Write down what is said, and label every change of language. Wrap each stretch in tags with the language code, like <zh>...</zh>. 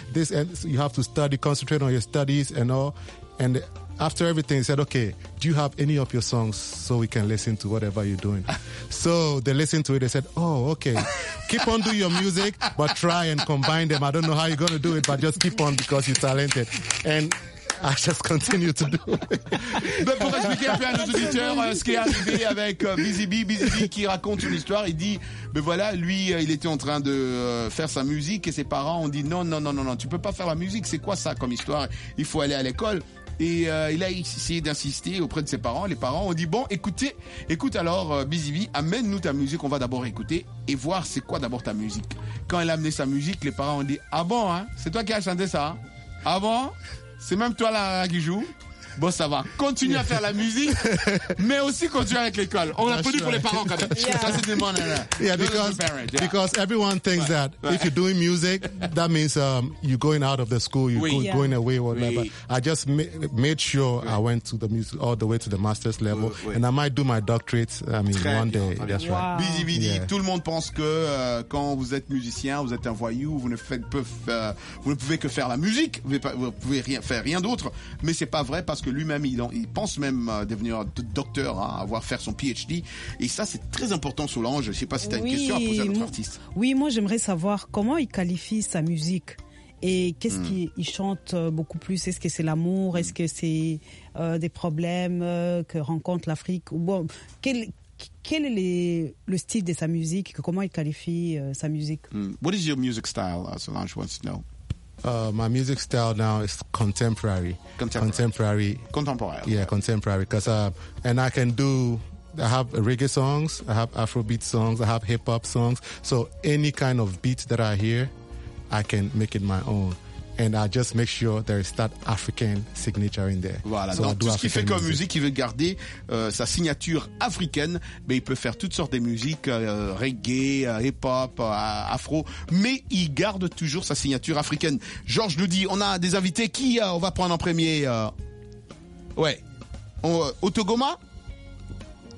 <en>This, and so you have to study, concentrate on your studies and all. And after everything, they said, okay, do you have any of your songs so we can listen to whatever you're doing? So they listened to it. They said, oh, okay, keep on doing your music, but try and combine them. I don't know how you're going to do it, but just keep on because you're talented. And I just continue to do it.</en> <fr>Ben pour expliquer un peu à nos auditeurs ce qui est arrivé avec Busy Bee qui raconte une histoire, il dit ben voilà, lui il était en train de faire sa musique et ses parents ont dit non, tu peux pas faire la musique, c'est quoi ça comme histoire, il faut aller à l'école. Et il a essayé d'insister auprès de ses parents. Les parents ont dit bon, écoute alors Busy Bee, amène-nous ta musique, on va d'abord écouter et voir c'est quoi d'abord ta musique. Quand il a amené sa musique, les parents ont dit ah bon hein, c'est toi qui as chanté ça hein? Ah bon, c'est même toi là qui joue. Bon, ça va. Continue à faire la musique, mais aussi continue avec l'école. On l'a produit pour les parents quand même.</fr> <en>Yeah.</en> <fr>Ça c'est des manières.</fr> <en>Yeah, because everyone thinks that if you're doing music, that means you're going out of the school, going away, whatever.</en> <fr>Oui.</fr> <en>I just made sure I went to the music all the way to the master's level, and I might do my doctorate. I mean,</en> <fr>très</fr> <en>one day.</en> <fr>Bien.</fr> <en>That's wow. Right. Busy, busy. Yeah.</en> <fr>Tout le monde pense que quand vous êtes musicien, vous êtes un voyou, vous ne pouvez que faire la musique, vous pouvez rien faire rien d'autre. Mais c'est pas vrai parce que lui-même, il pense même devenir docteur, hein, avoir fait son PhD. Et ça, c'est très important, Solange. Je ne sais pas si tu as une question à poser à notre artiste. Oui, moi, j'aimerais savoir comment il qualifie sa musique et qu'est-ce qu'il chante beaucoup plus. Est-ce que c'est l'amour? Est-ce que c'est des problèmes que rencontre l'Afrique? Bon, quel est le style de sa musique? Comment il qualifie sa musique?</fr> <en>What is your music style, Solange wants to know? My music style now is contemporary. Contemporary. Contemporary. Yeah, contemporary. Because I have reggae songs, I have Afrobeat songs, I have hip-hop songs. So any kind of beat that I hear, I can make it my own. And I just make sure there is that African signature in there.</en> <fr>Voilà, so donc tout ce qu'il fait comme musique, il veut garder sa signature africaine, mais il peut faire toutes sortes de musiques, reggae, hip-hop, afro, mais il garde toujours sa signature africaine. Georges nous dit, on a des invités, qui on va prendre en premier ouais, Otogoma ?</fr>